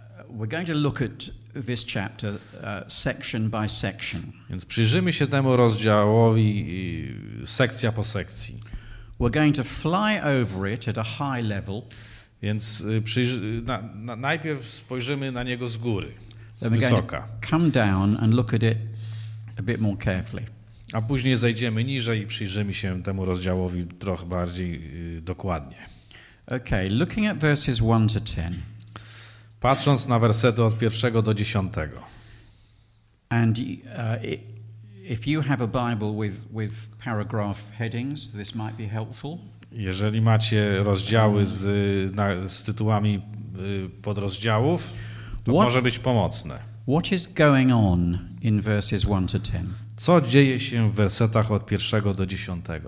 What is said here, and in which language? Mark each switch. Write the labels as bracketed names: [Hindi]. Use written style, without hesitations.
[English] We're going to look at this chapter section by section. [Polish] Więc przyjrzymy się temu rozdziałowi sekcja po sekcji. [English] We're going to fly over it at a high level. [Polish] Więc najpierw spojrzymy na niego z góry, z wysoka. [English] Come down and look at it a bit more carefully. [Polish] A później zejdziemy niżej i przyjrzymy się temu rozdziałowi trochę bardziej dokładnie. [English] Okay, looking at verses 1 to 10. [Polish] Patrząc na wersety od 1 do 10. [English] And if you have a Bible with paragraph headings, this might be helpful. [Polish] Jeżeli macie rozdziały z tytułami podrozdziałów, to może być pomocne. [English] What is going on in verses 1 to 10? [Polish] Co dzieje się w wersetach od 1 do 10?